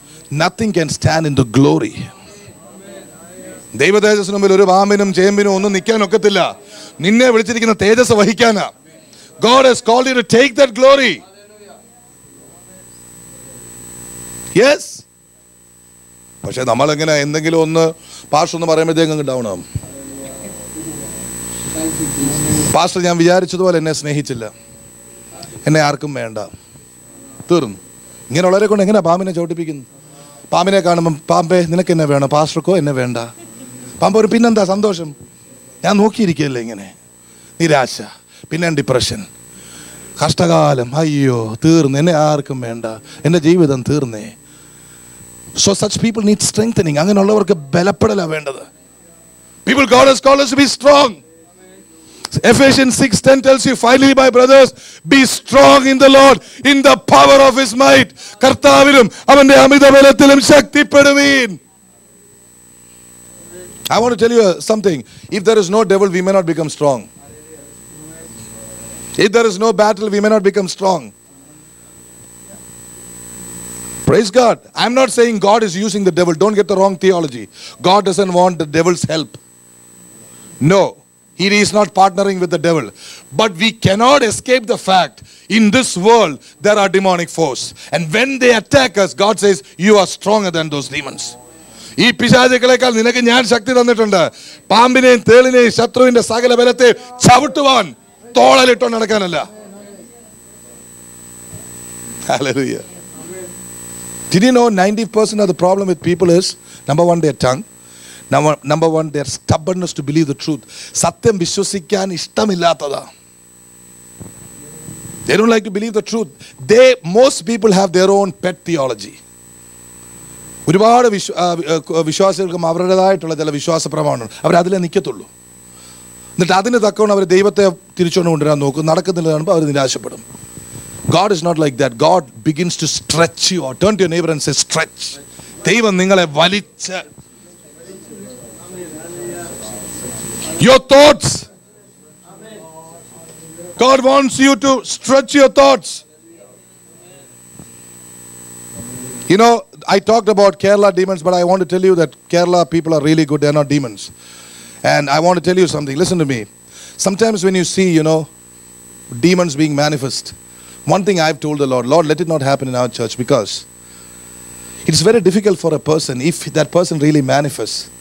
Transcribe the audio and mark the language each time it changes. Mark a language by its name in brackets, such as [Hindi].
[English] Nothing can stand in the glory. [Malayalam] ദൈവതേജസ്സിനു മുമ്പിൽ ഒരു വാമിനും ചേമ്പിനും ഒന്നും നിൽക്കാൻ ഒക്കത്തില്ല. നിന്നെ വിളിച്ചിരിക്കുന്ന തേജസ് വഹിക്കാനാ. [English] God has called you to take that glory. Yes. [Malayalam] പക്ഷെ നമ്മൾ എങ്ങനെ എന്തെങ്കിലും ഒന്ന് പാസ്റ്റർ ഒന്ന് പറയുമ്പോഴത്തേക്കും ഡൗൺ ആവും. പാസ്റ്റർ ഞാൻ വിചാരിച്ചതുപോലെ എന്നെ സ്നേഹിച്ചില്ല, എന്നെ ആർക്കും വേണ്ട, തീർന്നു. ഇങ്ങനെയുള്ളവരെ കൊണ്ട് എങ്ങനെ പാമ്പിനെ ചവിട്ടിപ്പിക്കുന്നു? പാമ്പിനെ കാണുമ്പം, പാമ്പേ നിനക്ക് എന്നെ വേണം, പാസ്റ്റർക്കോ എന്നെ വേണ്ട. പാമ്പ് ഒരു പിന്നെന്താ സന്തോഷം, ഞാൻ നോക്കിയിരിക്കുകയല്ലേ. ഇങ്ങനെ നിരാശ, പിന്നെ ഡിപ്രഷൻ, കഷ്ടകാലം, അയ്യോ തീർന്നു, എന്നെ ആർക്കും വേണ്ട, എൻ്റെ ജീവിതം തീർന്നേ. [English] So such people need strengthening. [Malayalam] അങ്ങനെയുള്ളവർക്ക് ബലപ്പെടലാ വേണ്ടത്. [English] People God has called us to be strong. Ephesians 6:10 tells you, finally my brothers, be strong in the Lord, in the power of his might. [Malayalam] Kartavilum avante amitha balathilum shaktipeduveen. [English] I want to tell you something. If there is no devil, we may not become strong. If there is no battle, we may not become strong. Praise God. I'm not saying God is using the devil. Don't get the wrong theology. God doesn't want the devil's help. No. He is not partnering with the devil. But we cannot escape the fact, in this world, there are demonic forces. And when they attack us, God says, you are stronger than those demons. [Malayalam] ഈ പിശാചുക്കളെക്കാൾ നിനക്ക് ഞാൻ ശക്തി തന്നിട്ടുണ്ട്. പാമ്പിനെയും തേളിനെയും ശത്രുവിന്റെ സകല ബലത്തെ ചവിട്ടുവാൻ തോളലിട്ടു നടക്കാനല്ല. [English] Hallelujah. Did you know 90% of the problem with people is, number one, their tongue. Number one, their stubbornness to believe the truth. [Malayalam] സത്യം വിശ്വസിക്കാൻ ഇഷ്ടമില്ലാത്തതാ. [English] They don't like to believe the truth. Most people have their own pet theology. [Malayalam] ഒരുപാട് വിശ്വാസികൾക്കും അവരുടേതായിട്ടുള്ള ചില വിശ്വാസ പ്രമാണമാണ്, അവരതിലേ നിൽക്കത്തുള്ളൂ. എന്നിട്ട് അതിന് തക്കവണ് അവർ ദൈവത്തെ തിരിച്ചുകൊണ്ട് കൊണ്ടുവരാൻ നോക്കും, നടക്കുന്നില്ല കാണുമ്പോൾ അവർ നിരാശപ്പെടും. [English] God is not like that. God begins to stretch you. Turn to your neighbour and say, stretch. [Malayalam] ദൈവം നിങ്ങളെ വലിച്ച്. [English] Your thoughts. God wants you to stretch your thoughts. You know, I talked about Kerala demons, but I want to tell you that Kerala people are really good. They are not demons. And I want to tell you something. Listen to me. Sometimes when you see, you know, demons being manifest, one thing I've told the Lord, Lord, let it not happen in our church, because it's very difficult for a person, if that person really manifests.